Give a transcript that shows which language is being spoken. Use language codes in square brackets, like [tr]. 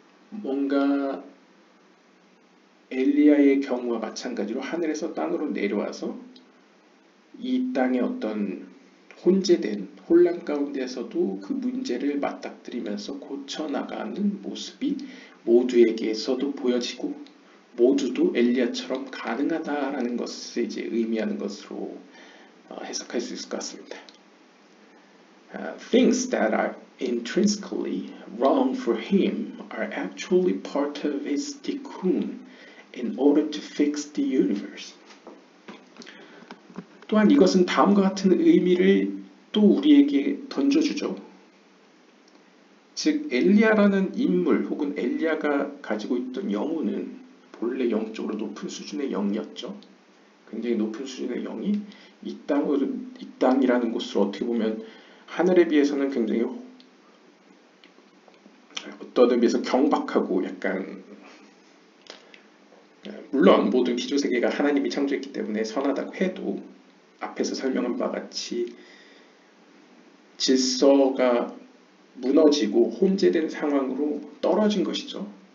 [ko] 뭔가 엘리야의 경우와 마찬가지로 하늘에서 땅으로 내려와서 이 땅의 어떤 혼재된 혼란 가운데서도 그 문제를 맞닥뜨리면서 고쳐나가는 모습이 모두에게서도 보여지고 모두도 엘리야처럼 가능하다라는 것을 이제 의미하는 것으로 해석할 수 있을 것 같습니다. [en] Things that are intrinsically wrong for him are actually part of his tikkun in order to fix the universe. [ko] 또한 이것은 다음과 같은 의미를 또 우리에게 던져주죠. 즉 엘리야라는 인물 혹은 엘리야가 가지고 있던 영혼은 본래 영적으로 높은 수준의 영이었죠. 굉장히 높은 수준의 영이 이 땅으로 이 땅이라는 곳으로 어떻게 보면 하늘에 비해서는 굉장히 어떤 의미에서 경박하고 약간 물론 모든 피조세계가 하나님이 창조했기 때문에 선하다고 해도 앞에서 설명한 바 같이 질서가 무너지고 혼재된 상황으로 떨어진 것이죠.